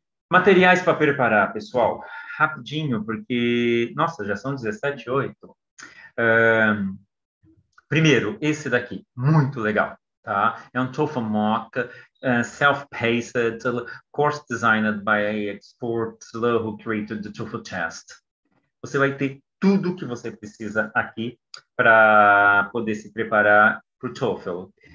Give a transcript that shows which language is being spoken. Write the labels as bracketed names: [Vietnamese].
[Portuguese] Materiais para preparar, pessoal, rapidinho, porque, nossa, já são 17 e 8. Primeiro, esse daqui, muito legal, tá? É um [English] TOEFL mock, self-paced, course designed by experts who created the TOEFL test. [Portuguese] Você vai ter tudo o que você precisa aqui para poder se preparar para o TOEFL.